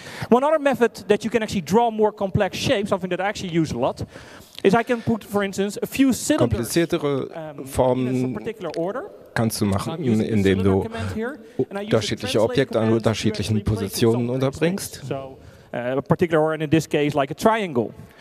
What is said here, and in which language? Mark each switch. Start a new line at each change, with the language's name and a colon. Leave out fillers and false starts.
English: One other method that you can actually draw more complex shapes, something that I actually use a lot, is I can put, for instance, a few cylinders.
German: Kompliziertere Formen kannst du machen, indem du unterschiedliche Objekte an unterschiedlichen Positionen unterbringst.
English: A particular order in this case like a triangle.